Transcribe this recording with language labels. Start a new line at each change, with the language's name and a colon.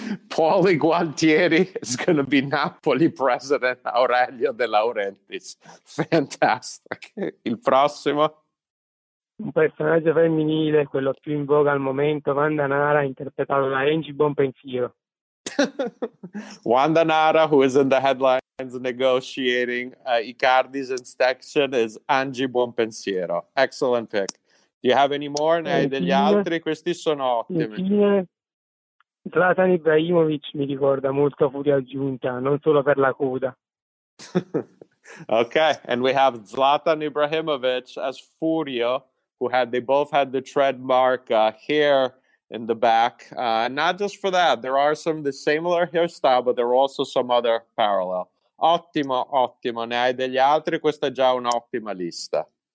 English: Pauli Gualtieri is going to be Napoli president Aurelio De Laurentiis. Fantastic.
Italian: Il prossimo. Un personaggio femminile, quello più in voga al momento, Wanda Nara, interpretato da Angie Bonpensiero.
English: Wanda Nara, who is in the headlines negotiating Icardi's extension, is Angie Bonpensiero. Excellent pick. Do you have any more?
Italian: Ne hai degli altri? Questi sono ottimi. Zlatan Ibrahimovic mi ricorda molto Furia Aggiunta, non solo per la coda.
English: Okay, and we have Zlatan Ibrahimovic as Furio, who both had the trademark hair in the back. Not just for that, there are some the similar hairstyle, but there are also some other parallel.
Italian: Ottimo, ottimo. Ne hai degli altri? Questa è già un'ottima lista.